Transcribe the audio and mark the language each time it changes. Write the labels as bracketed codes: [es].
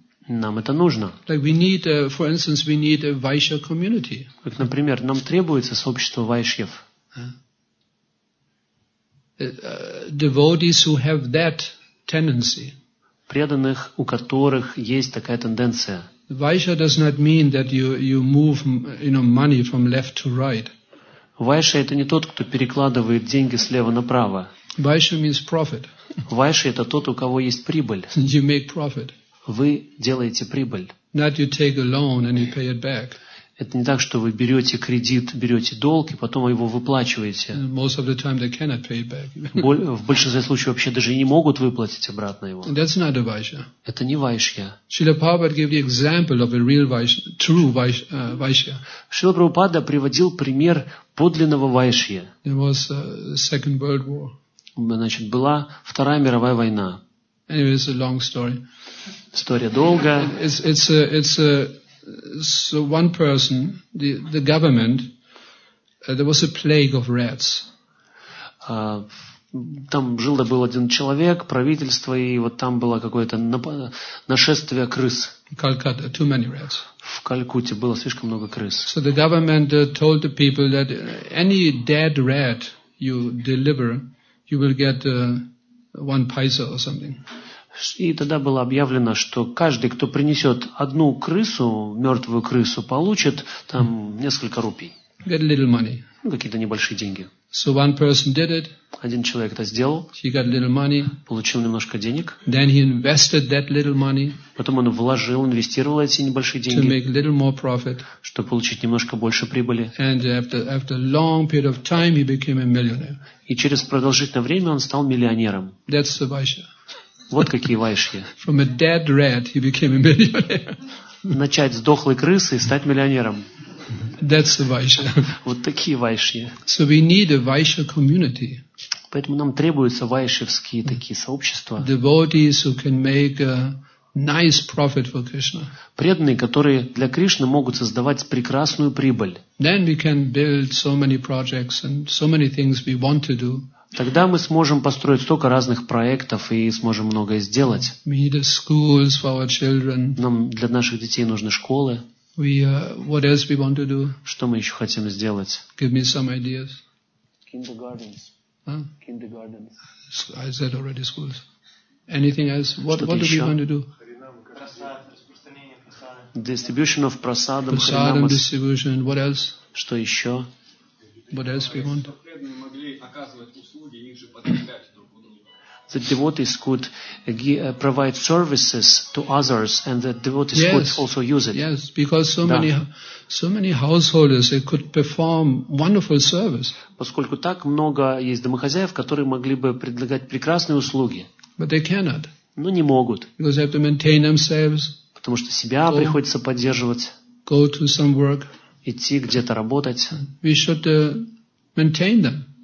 [ru] Нам это нужно. [en] Like we need, for instance, we need a Vaishya community. [ru] Как, например, нам требуется сообщество вайшьев. [en] Devotees who have that tendency. [ru] Преданных, у которых есть такая тенденция. [en] Vaishya does not mean that you move, you know, money from left to right. [ru] Вайшья — это не тот, кто перекладывает деньги слева направо. [en] Vaishya means profit. [ru] Вайшья — это тот, у кого есть прибыль. [en] You make profit. [ru] Вы делаете прибыль. [en] Not you take a loan and you pay it back. [ru] Это не так, что вы берете кредит, берете долг и потом его выплачиваете. [en] And most of the time they cannot pay it back. [ru] В большинстве случаев вообще даже не могут выплатить обратно его. [en] That's not a Vaishya. [ru] Это не Вайшья. [en] Srila Prabhupada gave the example of a real Vaishya, true Vaishya. [ru] Шрила Прабхупада приводил пример подлинного Вайшья. [en] It was a Second World War. [ru] Значит, была Вторая мировая война. [en] Anyway, it's a long story. [ru] История долга. [en] So one person, the government, there was a plague of rats. [ru] Там жил-то был один человек, правительство, и вот там было какое-то нашествие крыс. [en] Calcutta, too many rats. [ru] В Калькутте было слишком много крыс. [en] So the government told the people that any dead rat you deliver, you will get one paisa or something. [ru] И тогда было объявлено, что каждый, кто принесет одну крысу, мертвую крысу, получит там несколько рупий. [en] Get a little money. [ru] Ну, какие-то небольшие деньги. [en] So one person did it. [ru] Один человек это сделал. [en] He got a little money. [ru] Получил немножко денег. [en] Then he invested that little money. [ru] Потом он вложил, инвестировал эти небольшие деньги. [en] To make a little more profit. [ru] Чтобы получить немножко больше прибыли. [en] And after a long period of time he became a millionaire. [ru] И через продолжительное время он стал миллионером. [en] That's the Vaishya. [ru] Вот какие вайшья. [en] From a dead rat he became a millionaire. [ru] Начать с дохлой крысы и стать миллионером. [en] That's the Vaishya. [ru] Вот такие вайшья. [en] So we need a Vaishya community. [ru] Поэтому нам требуются вайшевские такие сообщества. [en] Devotees who can make nice profit for Krishna. [ru] Преданные, которые для Кришны могут создавать прекрасную прибыль. [en] Then we can build so many projects and so many things we want to do. [ru] Тогда мы сможем построить столько разных проектов и сможем многое сделать. [en] We need schools for our children. [ru] Нам для наших детей нужны школы. [en] We, what else we want to do? [ru] Что мы еще хотим сделать? [en] Give me some ideas. Kindergartens. Huh? Kindergartens. I said already schools. Anything else? What do we want to do? Distribution of prasadam. Prasadam distribution. What else? [ru] Что еще? [en] What else we want? The devotees could provide services to others, and the devotees could also use it. Yes, because so many householders, they could perform wonderful service. [ru] Поскольку так много есть домохозяев, которые могли бы предлагать прекрасные услуги. [en] But they cannot. [ru] Но не могут. [en] Because they have to maintain themselves. [ru] Потому что себя приходится поддерживать. [en] Go to some work. [ru] Идти где-то работать. [en] We should maintain them.